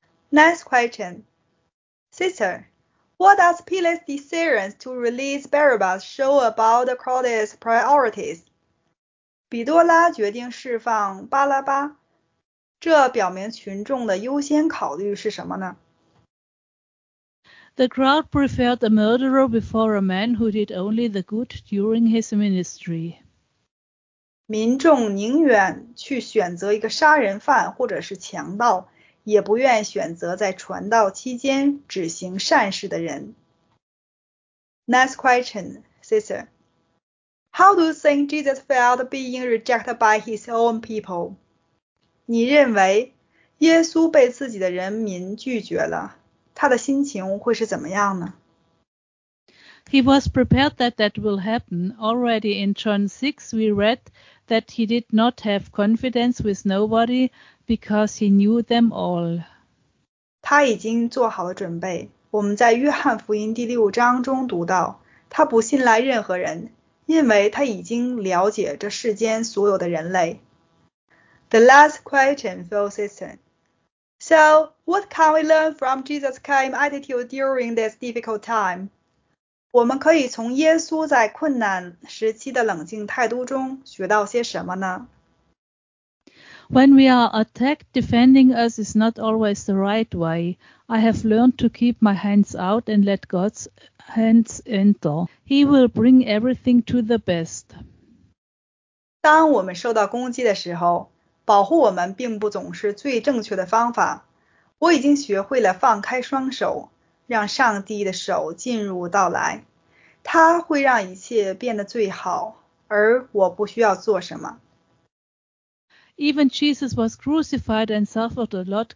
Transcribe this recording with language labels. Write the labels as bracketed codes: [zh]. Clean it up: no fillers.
[en] Next question. Sister. What does Pilate's decision to release Barabbas show about the crowd's priorities? [zh] 比多拉决定释放巴拉巴，这表明群众的优先考虑是什么呢？ [en] The crowd preferred a murderer before a man who did only the good during his ministry. [zh] 民众宁愿去选择一个杀人犯或者是强盗，也不愿选择在传道期间只行善事的人。 [en] Next question, sister. How do you think Jesus felt being rejected by his own people? [zh] 你认为耶稣被自己的人民拒绝了，他的心情会是怎么样呢？ [en] He was prepared that that will happen. Already in John 6, we read that he did not have confidence with nobody,Because he knew them all. [zh] 他已经做好了准备。我们在约翰福音第六章中读到，他不信赖任何人，因为他已经了解这世间所有的人类。 [en] The last question, Phil Sisson. So, what can we learn from Jesus' calm attitude during this difficult time? [zh] 我们可以从耶稣在困难时期的冷静态度中学到些什么呢？ [en] When we are attacked, defending us is not always the right way. I have learned to keep my hands out and let God's hands enter. He will bring everything to the best. [zh] 当我们受到攻击的时候，保护我们并不总是最正确的方法。我已经学会了放开双手，让上帝的手进入到来。他会让一切变得最好，而我不需要做什么。 [en] Even Jesus was crucified and suffered a lot.